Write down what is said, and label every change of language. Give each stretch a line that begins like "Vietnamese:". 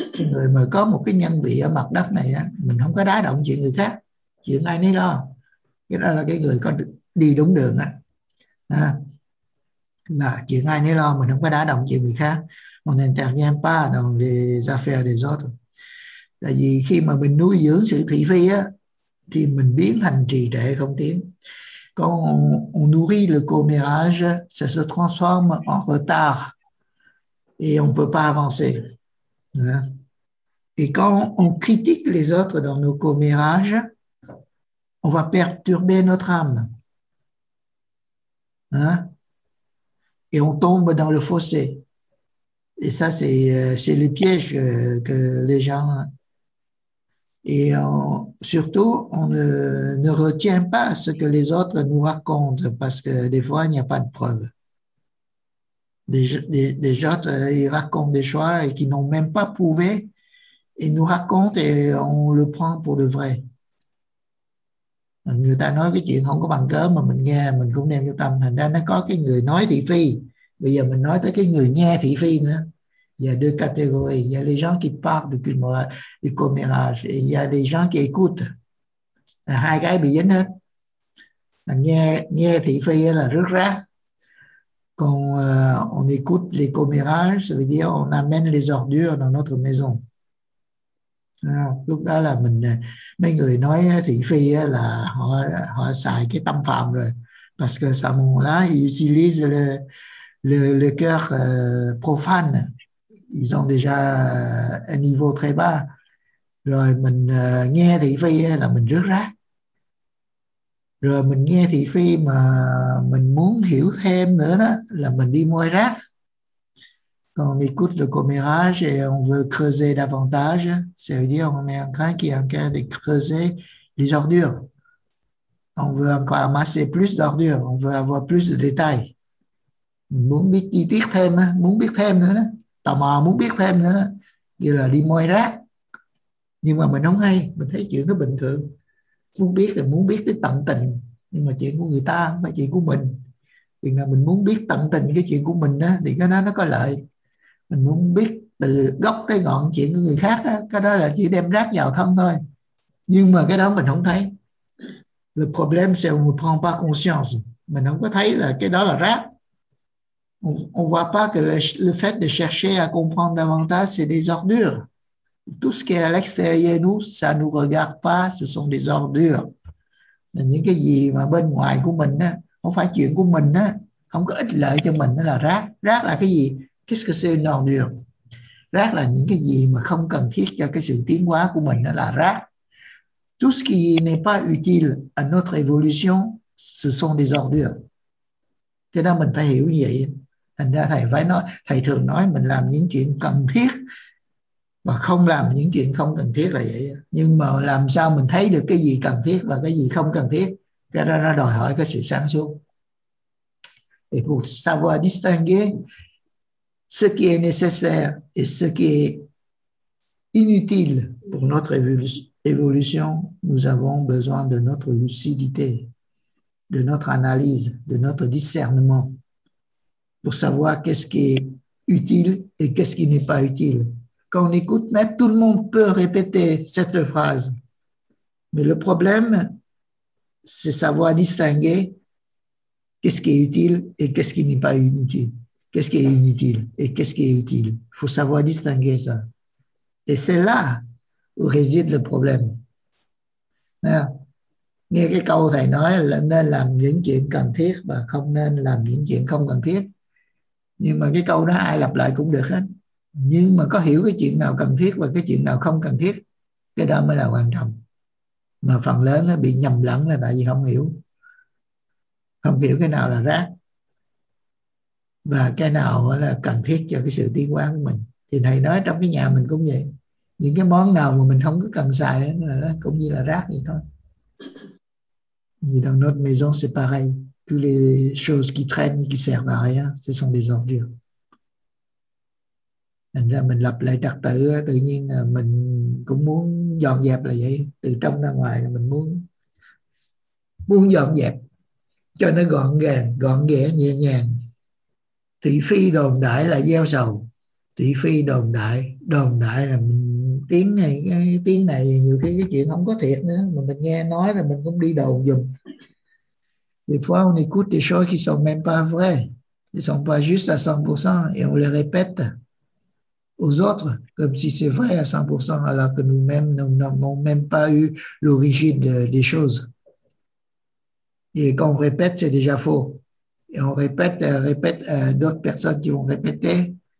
Vietnamese: Người mà có một cái nhân vị ở mặt đất này, mình không có đá động chuyện người khác, chuyện ai nấy lo. Cái đó là cái người có đi đúng đường á. Là chuyện ai nấy lo, mình không có đá động chuyện người khác.
French: On n'intervient pas dans les affaires des autres.
Vietnamese: Tại vì khi mà mình nuôi dưỡng sự thị phi á, thì mình biến thành trì trệ không tiến.
French: Quand on nourrit le commérage, ça se transforme en retard. Et on ne peut pas avancer. Et quand on critique les autres dans nos commérages, on va perturber notre âme. Et on tombe dans le fossé. Et ça, c'est le piège que les gens Et surtout, on ne retient pas ce que les autres nous racontent parce que des fois, il n'y a pas de preuve. Des autres, ils racontent des choses et qui n'ont même pas prouvé. Ils nous racontent et on le prend pour le vrai.
Vietnamese: Người ta nói cái chuyện không có bằng cớ mà mình nghe, mình cũng đem vô tâm. Thành ra nó có cái người nói thị phi. Bây giờ mình nói tới cái người nghe thị phi nữa.
French: Il y a deux catégories. Il y a les gens qui parlent du commérage et il y a les gens qui écoutent.
Vietnamese: Là hai cái bị dính hết. Nghe thị phi là rất rác.
French: Quand on écoute les commérages, ça veut dire on amène les ordures dans notre maison.
Vietnamese: Lúc đó là mình mấy người nói thị phi là họ xài cái tâm phạm rồi.
French: Parce que ça m'ont là, ils utilisent le cœur profane. Ils ont déjà un niveau très bas.
Vietnamese: Rồi mình nghe thị phi là mình rất rác. Rồi mình nghe thị phi mà mình muốn hiểu thêm nữa đó là mình đi moi rác.
French: Quand on écoute le commérage et on veut creuser davantage, ça veut dire qu'on est en train qui est en train de creuser les ordures. On veut encore amasser plus d'ordures, on veut avoir plus de détails.
Vietnamese: Mình muốn biết chi tiết thêm, muốn biết thêm nữa đó. Tò mò muốn biết thêm nữa đó. Như là đi moi rác. Nhưng mà mình không hay, mình thấy chuyện nó bình thường. Muốn biết là muốn biết cái tận tình. Nhưng mà chuyện của người ta không phải chuyện của mình. Chuyện là mình muốn biết tận tình cái chuyện của mình đó, thì cái đó nó có lợi. Mình muốn biết từ gốc tới ngọn chuyện của người khác đó, cái đó là chỉ đem rác vào thân thôi. Nhưng mà cái đó mình không thấy.
French: Le problème c'est qu'on ne prend pas conscience.
Vietnamese: Mình không có thấy là cái đó là rác.
French: On voit pas que le fait de chercher à comprendre davantage, c'est des ordures. Tout ce qui est à l'extérieur de nous, ça nous regarde pas, ce sont des ordures.
Vietnamese: Là những cái gì mà bên ngoài của mình á, không phải chuyện của mình á, không có ích lợi cho mình, nó là rác. Rác là cái gì?
French: Qu'est-ce que c'est une ordure?
Vietnamese: Rác là những cái gì mà không cần thiết cho cái sự tiến hóa của mình, nó là rác.
French: Tout ce qui n'est pas utile à notre évolution, ce sont des ordures.
Vietnamese: Thế nên mình phải hiểu như vậy. Thành ra thầy phải nói, thầy thường nói mình làm những chuyện cần thiết và không làm những chuyện không cần thiết là vậy. Nhưng mà làm sao mình thấy được cái gì cần thiết và cái gì không cần thiết, cái đó nó đòi hỏi cái sự sáng suốt.
French: Et pour savoir distinguer ce qui est nécessaire et ce qui est inutile pour notre évolution, nous avons besoin de notre lucidité, de notre analyse, de notre discernement pour savoir qu'est-ce qui est utile et qu'est-ce qui n'est pas utile. Quand on écoute, mais tout le monde peut répéter cette phrase. Mais le problème, c'est savoir distinguer qu'est-ce qui est utile et qu'est-ce qui n'est pas inutile. Qu'est-ce qui est inutile et qu'est-ce qui est utile. Il faut savoir distinguer ça. Et c'est là où réside le problème.
Vietnamese: Alors, nghe cái câu thầy nói là nên làm những chuyện cần thiết và không nên làm những chuyện không cần thiết. Nhưng mà cái câu đó ai lặp lại cũng được hết. Nhưng mà có hiểu cái chuyện nào cần thiết và cái chuyện nào không cần thiết, cái đó mới là quan trọng. Mà phần lớn nó bị nhầm lẫn là tại vì không hiểu. Không hiểu cái nào là rác và cái nào là cần thiết cho cái sự tiến hóa của mình. Thì thầy nói trong cái nhà mình cũng vậy. Những cái món nào mà mình không có cần xài là cũng như là rác vậy thôi.
French: Dans notre maison, c'est pareil. Toutes les choses qui traînent et qui servent à rien, ce sont des ordures.
Vietnamese: Thành ra mình lập lại trật tự, tự nhiên mình cũng muốn dọn dẹp là vậy. Từ trong ra ngoài mình muốn dọn dẹp cho nó gọn gàng, gọn ghẽ, nhẹ nhàng. Thị phi đồn đại là gieo sầu. Thị phi đồn đại là mình tiếng này, cái tiếng này nhiều khi cái chuyện không có thiệt nữa mà mình nghe nói là mình cũng đi đồn giùm.
French: Des fois on écoute des choses qui sont même pas vraies, qui sont pas justes à 100% et on les répète aux autres comme si c'est vrai à 100% alors que nous-mêmes nous n'avons même pas eu l'origine des choses. Et quand on répète, c'est déjà faux. Et on répète à d'autres personnes qui vont répéter.